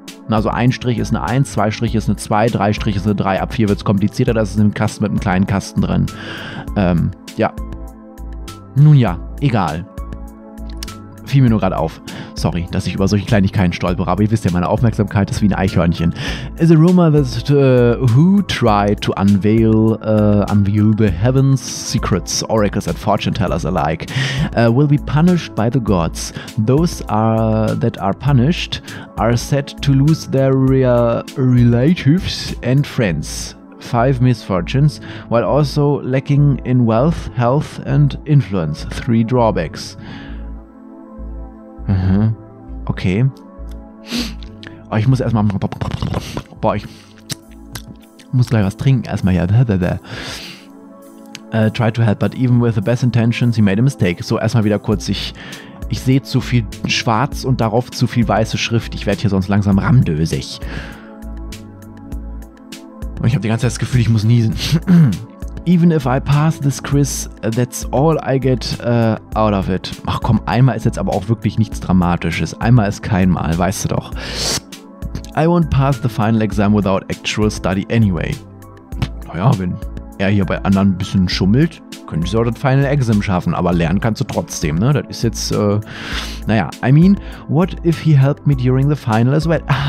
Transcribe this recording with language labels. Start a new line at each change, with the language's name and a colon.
German: Also ein Strich ist eine 1, zwei Striche ist eine 2, drei Striche ist eine 3. Ab 4 wird es komplizierter, das ist ein Kasten mit einem kleinen Kasten drin. Ja. Nun ja, egal. Fiel mir nur gerade auf. Sorry, dass ich über solche Kleinigkeiten stolpere, aber ihr wisst ja, meine Aufmerksamkeit ist wie ein Eichhörnchen.
English: Is a rumor that who tried to unveil the heaven's secrets, oracles and fortune tellers alike, will be punished by the gods. Those are, that are punished are said to lose their relatives and friends. Five misfortunes, while also lacking in wealth, health and influence. Three drawbacks.
German: Okay. Oh, ich muss erstmal. Boah, ich muss gleich was trinken. Erstmal hier.
English: Try to help, but even with the best intentions, he made a mistake.
German: So, erstmal wieder kurz. Ich sehe zu viel schwarz und darauf zu viel weiße Schrift. Ich werde hier sonst langsam rammdösig. Und ich habe die ganze Zeit das Gefühl, ich muss niesen.
English: Even if I pass this quiz, that's all I get out of it.
German: Ach komm, einmal ist jetzt aber auch wirklich nichts Dramatisches. Einmal ist kein Mal, weißt du doch.
English: I won't pass the final exam without actual study anyway.
German: Naja, wenn er hier bei anderen ein bisschen schummelt, könnte ich so das
English: final exam
German: schaffen. Aber lernen kannst du trotzdem, ne? Das ist jetzt, naja.
English: I mean, what if he helped me during the final as well?